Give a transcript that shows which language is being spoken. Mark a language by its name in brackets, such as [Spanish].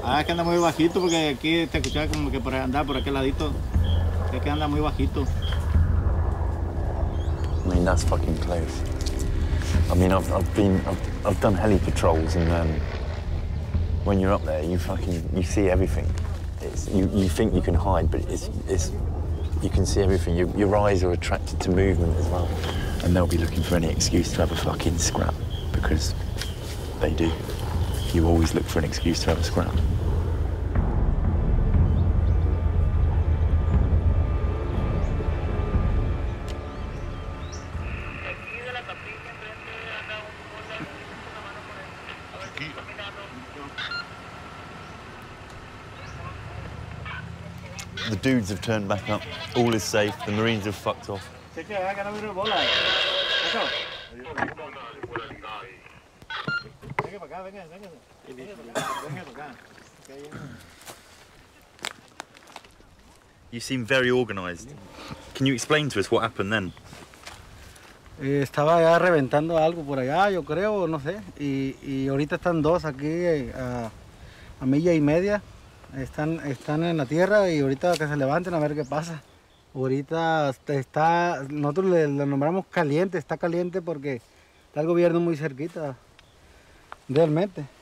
[Spanish] Anda muy bajito porque aquí te escuchaba como que para andar por aquel ladito es que anda muy bajito. [English] I mean, that's fucking close. I mean, I've done heli patrols and when you're up there, you see everything. It's, you think you can hide, but it's you can see everything. Your eyes are attracted to movement as well, and they'll be looking for any excuse to have a fucking scrap because they do. You always look for an excuse to have a scrap. The dudes have turned back up. All is safe. The Marines have fucked off. You seem very organized. Can you explain to us what happened then? [Spanish] Estaba ya reventando algo por allá, yo creo, no sé. Y ahorita están dos aquí a milla y media. Están en la tierra y ahorita que se levanten a ver qué pasa. Ahorita está, nosotros lo nombramos caliente, está caliente porque está el gobierno muy cerquita, realmente.